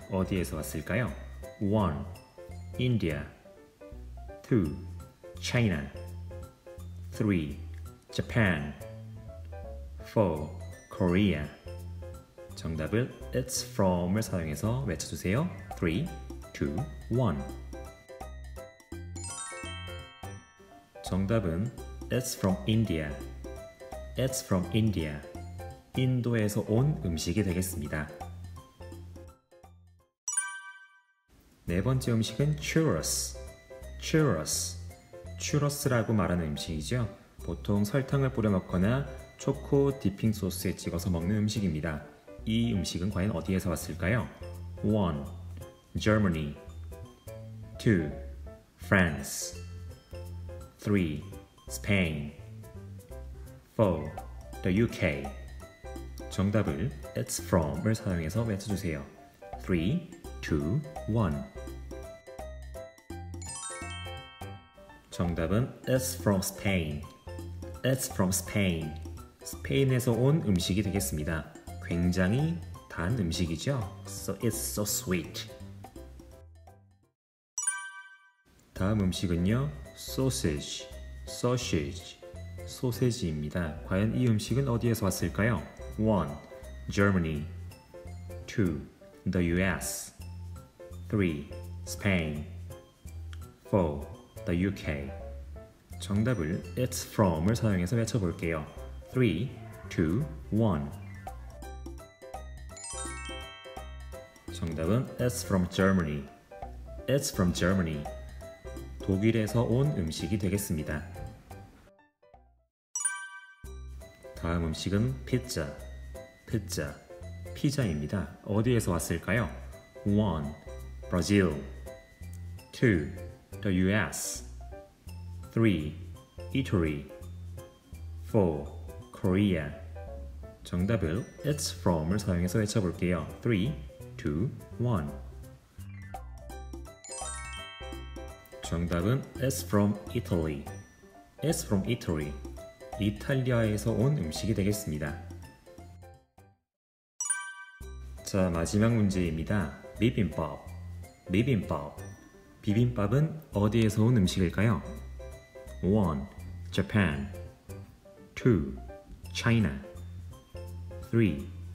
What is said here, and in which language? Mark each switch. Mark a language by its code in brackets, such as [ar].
[ko] 어디에서 왔을까요? 1. India 2. [en] China 3. Japan 4. [ko] Korea 정답을 [en] It's from [ko] 을 사용해서 외쳐주세요. [en] 3, 2, 1 [ko] 정답은 [en] It's from India. It's from India. [ko] 인도에서 온 음식이 되겠습니다. 네 번째 음식은 Churros. [en] Churros. [ko] Churros라고 말하는 음식이죠. 보통 설탕을 뿌려 먹거나 초코 디핑 소스에 찍어서 먹는 음식입니다. 이 음식은 과연 어디에서 왔을까요? [en] 1. Germany 2. France 3. Spain 4. [ko] The UK 정답을 [en] It's from [ko] 을 사용해서 외쳐주세요. [en] 3, 2, 1 [ko] 정답은 [en] It's from Spain. It's from Spain. [ko] 스페인에서 온 음식이 되겠습니다. 굉장히 단 음식이죠? [en] So it's so sweet. [ko] 다음 음식은요. Sausage. Sausage. 소세지입니다. 과연 이 음식은 어디에서 왔을까요? [en] 1. Germany 2. The US 3. Spain 4. [ko] The UK 정답을 [en] It's from [ko] 을 사용해서 외쳐볼게요. [en] 3, 2, 1 [ko] 정답은 [en] It's from Germany. It's from Germany. [ko] 독일에서 온 음식이 되겠습니다. 다음 음식은 피자. 피자. 피자입니다. 어디에서 왔을까요? 1. Brazil 2. [en] The US 3. Italy 4. Korea [ko] 정답을 [en] It's from [ko] 을 사용해서 외쳐볼게요. 3, 2, 1. 정답은 [en] It's from Italy. It's from Italy. [ko] 이탈리아에서 온 음식이 되겠습니다. 자, 마지막 문제입니다. 비빔밥. 비빔밥. 비빔밥은 어디에서 온 음식일까요? [en] 1. Japan 2. China 3.